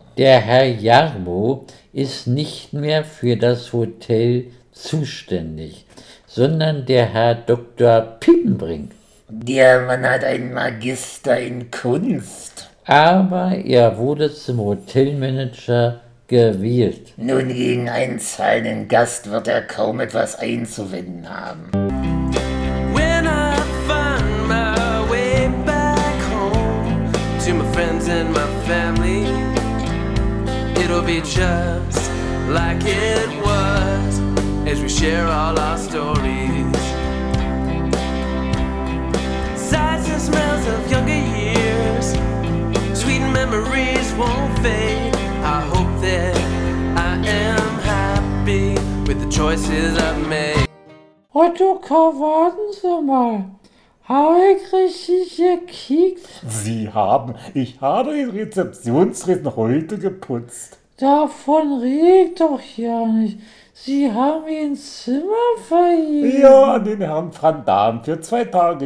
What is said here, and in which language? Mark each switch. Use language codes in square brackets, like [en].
[de] Der Herr Jarmo ist nicht mehr für das Hotel zuständig, sondern der Herr Dr. Pippenbrink. Der Mann hat einen Magister in Kunst. Aber er wurde zum Hotelmanager gewählt. Nun, gegen einen zahlenden Gast wird er kaum etwas einzuwenden haben. [en] When I find my way back home to my friends and my family, it'll be just like it was as we share all our stories. Sights and smells of younger years, sweet memories won't fade. I hope that I am happy with the choices I've made. [de] Ottokar, warten Sie mal. Habe ich richtig gekickt? Sie haben. Ich habe den Rezeptionsritt noch heute geputzt. Davon red doch ja nicht. Sie haben Ihr Zimmer verliehen. Ja, an den Herrn Van Damme für 2 Tage.